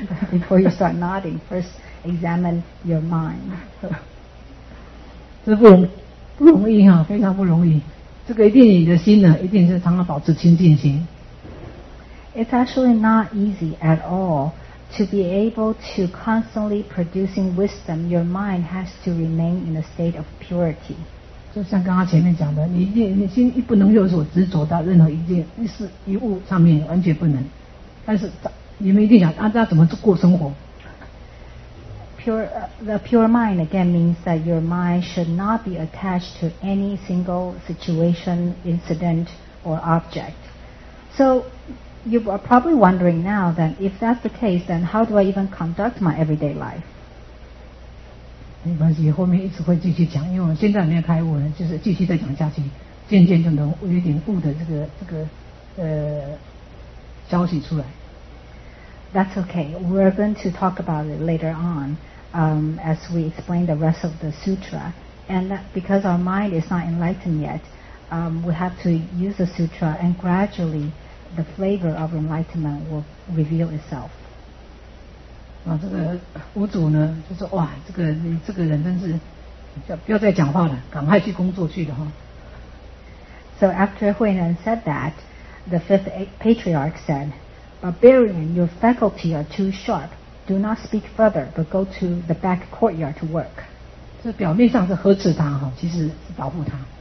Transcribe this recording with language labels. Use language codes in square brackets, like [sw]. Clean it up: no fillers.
[en] Before you start nodding, first examine your mind. [zh] 这不容易啊，非常不容易。这个一定你的心呢，一定是常常保持清净心。 [en] It's actually not easy at all to be able to constantly producing wisdom. Your mind has to remain in a state of purity. [zh] 就像刚刚前面讲的，你心一不能有所执着到任何一件一事一物上面，完全不能。但是你们一定想，大家怎么过生活？ [en] The pure mind again means that your mind should not be attached to any single situation, incident, or object. So. You are probably wondering now that if that's the case, then how do I even conduct my everyday life? [zh] 没关系，后面一直会继续讲，因为我现在没有开悟呢，就是继续再讲下去，渐渐就能有点悟的这个消息出来。 [en] That's okay. We're going to talk about it later on, as we explain the rest of the sutra. And because our mind is not enlightened yet, we have to use the sutra and gradually. The flavor of enlightenment will reveal itself. [zh] 啊，这个五祖呢，就说哇，这个你这个人真是，不要再讲话了，赶快去工作去了哈。 [en] So after Huinan said that, the fifth patriarch said, "Barbarian, your faculty are too sharp. Do not speak further, but go to the back courtyard to work." [zh] 这表面上是呵斥他哈，其实是保护他。